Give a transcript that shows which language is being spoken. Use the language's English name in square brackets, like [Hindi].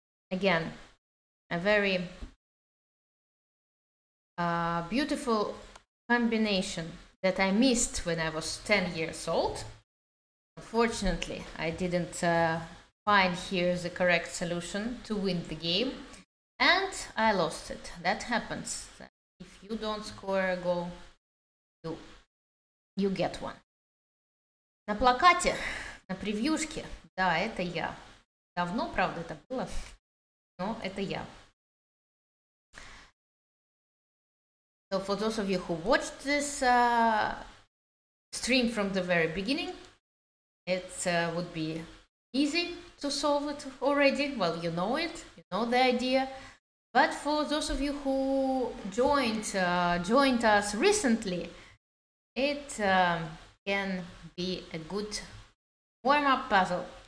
[English] Again, a very beautiful combination that I missed when I was 10 years old. Unfortunately, I didn't find here the correct solution to win the game. And I lost it. That happens. If you don't score a goal, you get one. [Russian] На плакате, на превьюшке. Да, это я. Давно, правда, это было, но это я. [English] So for those of you who watched this stream from the very beginning, it would be easy to solve it already. Well, you know it, you know the idea. But for those of you who joined us recently, it can be a good warm-up puzzle.